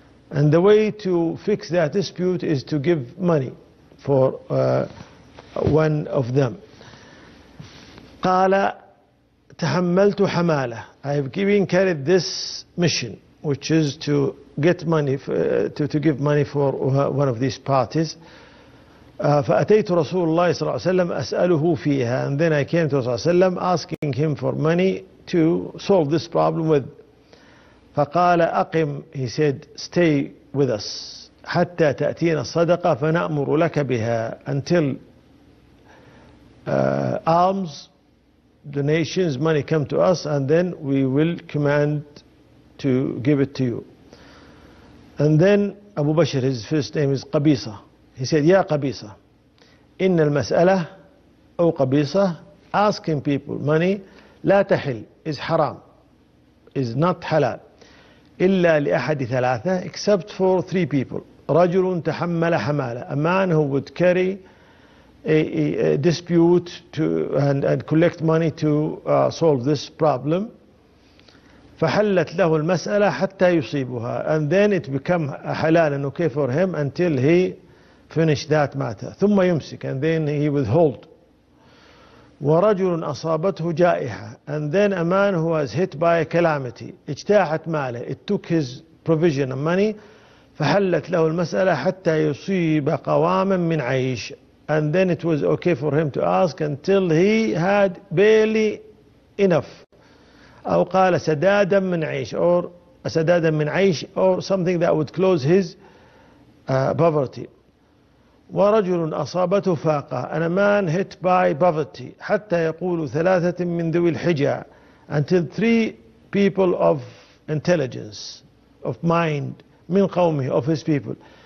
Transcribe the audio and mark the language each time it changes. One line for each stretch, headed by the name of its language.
English: And the way to fix that dispute is to give money for one of them.
Arabic: قال تحملت حمالة.
English: I have given carried this mission, which is to get money to give money for one of these parties.
Arabic: فأتيت رسول الله صلى الله عليه وسلم أسأله فيها.
English: And then I came to
Arabic: صلى الله عليه وسلم
English: asking him for money to solve this problem with.
Arabic: فقال أقم.
English: He said stay with us
Arabic: حتى تأتينا الصدقة فنأمر لك بها.
English: Until alms, donations, money come to us, and then we will command to give it to you. And then Abu Bashr, his first name is Qabisa. He said,
Arabic: Ya Qabisa, Inna al-mas'ala,
English: O Qabisa, asking people money,
Arabic: La tahil,
English: is haram, is not halal,
Arabic: illa li ahadi thalatha,
English: except for three people.
Arabic: Rajulun tahammala hamala,
English: a man who would carry a dispute to and collect money to solve this problem.
Arabic: فحلت له المسألة حتى يصيبها.
English: And then it become halal and okay for him until he finished that matter.
Arabic: ثم يمسك.
English: And then he withhold.
Arabic: ورجل أصابته جائحة.
English: And then a man who was hit by a calamity.
Arabic: اجتاحت ماله.
English: It took his provision of money.
Arabic: فحلت له المسألة حتى يصيب قواما من عيش.
English: And then it was okay for him to ask until he had barely enough.
Arabic: أو قال سدادا من عيش or سدادا من عيش
English: or something that would close his poverty. ورجل أصابته فاقة. And a man hit by poverty حتى يقول ثلاثة من ذوي الحجة until three people of intelligence, of mind, من قومه, of his people.